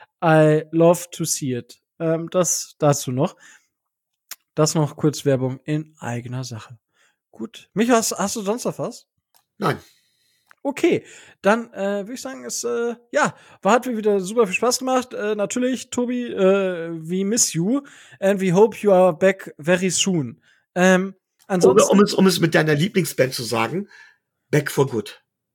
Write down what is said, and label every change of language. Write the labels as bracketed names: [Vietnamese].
[English] I love to see it. [German] Das dazu noch. Das noch kurz Werbung in eigener Sache. Gut. Micha, hast du sonst noch was? Nein. Okay, dann würde ich sagen, hat mir wieder super viel Spaß gemacht. [English] Natürlich, Tobi, we miss you and we hope you are back very soon. [German] Ansonsten, um es mit deiner Lieblingsband zu sagen, [English] back for good.